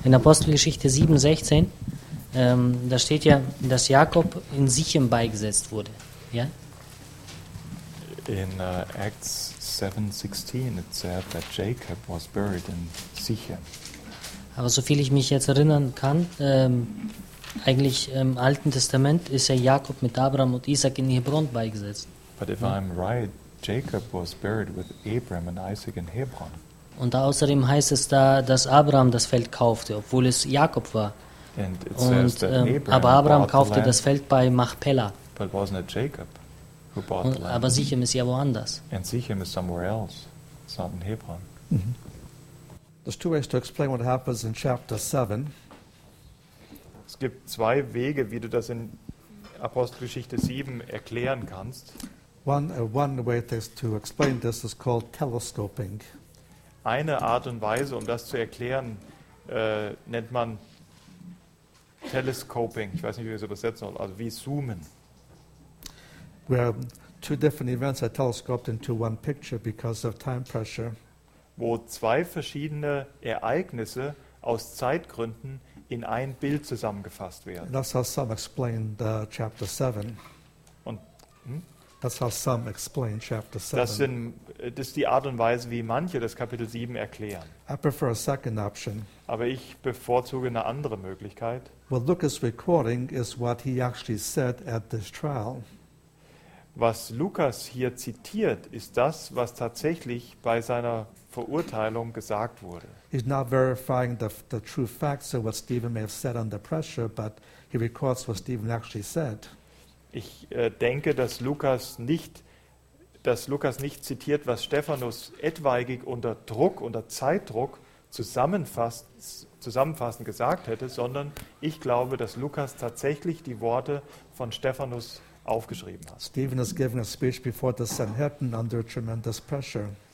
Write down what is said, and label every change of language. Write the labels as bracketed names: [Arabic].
[German] In Apostelgeschichte 7,16, da steht ja, dass Jakob in Sichem beigesetzt wurde. Ja? [English] In Acts 7,16, it said that Jacob was buried in Sichem. [German] Aber so viel ich mich jetzt erinnern kann, eigentlich im Alten Testament ist ja Jakob mit Abraham und Isaac in Hebron beigesetzt. [English] But if I'm right, Jacob was buried with Abraham and Isaac in Hebron. [German] Und außerdem heißt es da, dass Abraham das Feld kaufte, obwohl es Jakob war. [English] And it [German] und, [English] says that Abraham [German] aber Abraham kaufte das Feld bei Machpelah. [English] But wasn't it Jacob who bought [German] und, [English] the land? [German] Aber Sichem ist ja woanders. [English] And Sichem is somewhere else. It's not in Hebron. There's two ways to explain what happens in chapter 7. [German] Es gibt zwei Wege, wie du das in Apostelgeschichte 7 erklären kannst. [English] One way to explain this is called telescoping. [German] Eine Art und Weise, um das zu erklären, nennt man telescoping. Ich weiß nicht, wie ich es übersetzen soll, also wie zoomen. [English] Where two different events are telescoped into one picture because of time pressure. [German] Wo zwei verschiedene Ereignisse aus Zeitgründen in ein Bild zusammengefasst werden. [English] That's how some explain chapter 7. That's how some explain chapter 7. [German] Das ist die Art und Weise, wie manche das Kapitel 7 erklären. [English] I prefer a second option. [German] Aber ich bevorzuge eine andere Möglichkeit. [English] What Luke is recording is what he actually said at this trial. [German] Was Lukas hier zitiert, ist das, was tatsächlich bei seiner Verurteilung gesagt wurde. [English] He's not verifying the true facts of what Stephen may have said under pressure, but he records what Stephen actually said. [German] Ich denke, dass Lukas nicht zitiert, was Stephanus etwaigig unter Druck, unter Zeitdruck zusammenfassend gesagt hätte, sondern ich glaube, dass Lukas tatsächlich die Worte von Stephanus aufgeschrieben hat. [English] Stephen has given a speech before the Sanhedrin under tremendous pressure.